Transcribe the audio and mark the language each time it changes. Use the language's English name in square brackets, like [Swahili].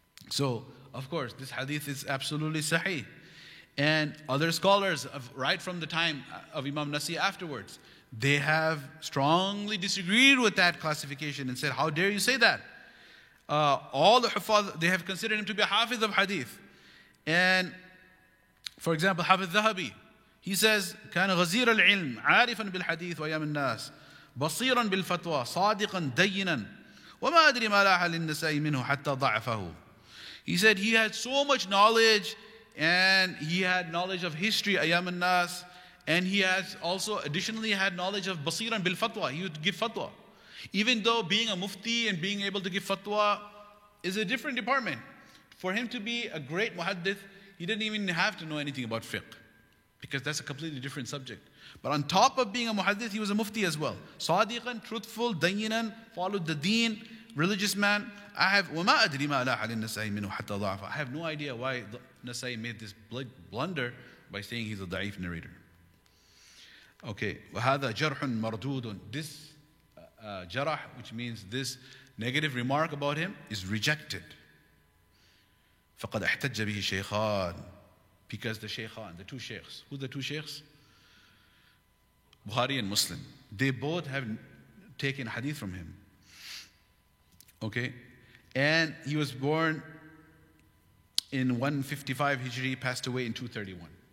[English] So, of course, this hadith is absolutely sahih. And other scholars, right from the time of Imam Nasi afterwards, they have strongly disagreed with that classification and said, how dare you say that? All the Hufaz, they have considered him to be a Hafiz of Hadith. And, for example, Hafiz Zahabi, he says, [Arabic] كان غزير العلم عارفا بالحديث وأيام الناس بصيرا بالفتوى صادقا دينا وما أدري ما لاح للنساء منه حتى ضعفه. [English] He said he had so much knowledge and he had knowledge of history, [Arabic] أيام الناس, [English] and he has also additionally had knowledge of basiran bil fatwa. He would give fatwa. Even though being a mufti and being able to give fatwa is a different department. For him to be a great muhaddith, he didn't even have to know anything about fiqh, because that's a completely different subject. But on top of being a muhaddith, he was a mufti as well. Sadiqan, truthful, dayinan, followed the deen, religious man. I have no idea why Nasa'i made this blunder by saying he's a da'if narrator. [Arabic] Okay, وَهَذَا جَرْحٌ مَرْدُودٌ. [English] This jarah, which means this negative remark about him, is rejected. [Arabic] فَقَدْ أَحْتَجَّ بِهِ شَيْخَانٌ. [English] Because the shaykhan, the two sheikhs, who are the two sheikhs? Bukhari and Muslim. They both have taken hadith from him. Okay, and he was born in 155 Hijri, passed away in 231.